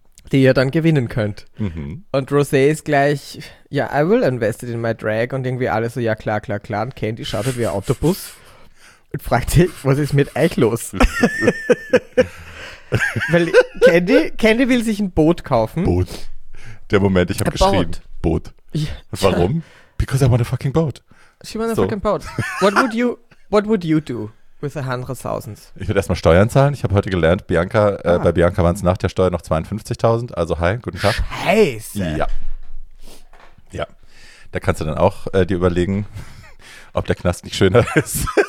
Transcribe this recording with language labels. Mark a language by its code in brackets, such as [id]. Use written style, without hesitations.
[de] die ihr dann gewinnen könnt. Mhm. Und Rosé ist gleich, ja, [en] I will invest it in my drag. [de] Und irgendwie alle so, ja, klar, klar, klar. Und Candy schaut halt wie ein Autobus und fragt sich, was ist mit euch los? Weil Candy will sich ein Boot kaufen. Boot. Der Moment, ich habe geschrieben. Boat. Boot. Ja. Warum? [en] Because I want a fucking boat. She wants a fucking boat. What would you do with 100,000? [de] Ich würde erstmal Steuern zahlen. Ich habe heute gelernt, Bianca, bei Bianca waren es nach der Steuer noch 52.000. Also hi, guten Tag. Scheiße. Ja. Ja. Da kannst du dann auch dir überlegen, ob der Knast nicht schöner ist.